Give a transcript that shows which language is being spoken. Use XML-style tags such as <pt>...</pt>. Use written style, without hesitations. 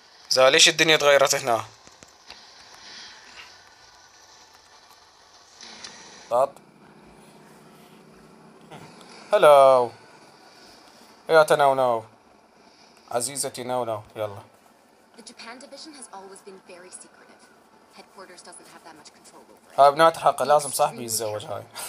<ar>زين ليش الدنيا تغيرت هنا؟ هلو يا تناو ناو عزيزتي ناو ناو يلا.</ar> <en>The Japan Division has always been very secretive. Headquarters doesn't have that much control over it.</en> <ar>بنات حق لازم صاحبي يتزوج هاي.</ar>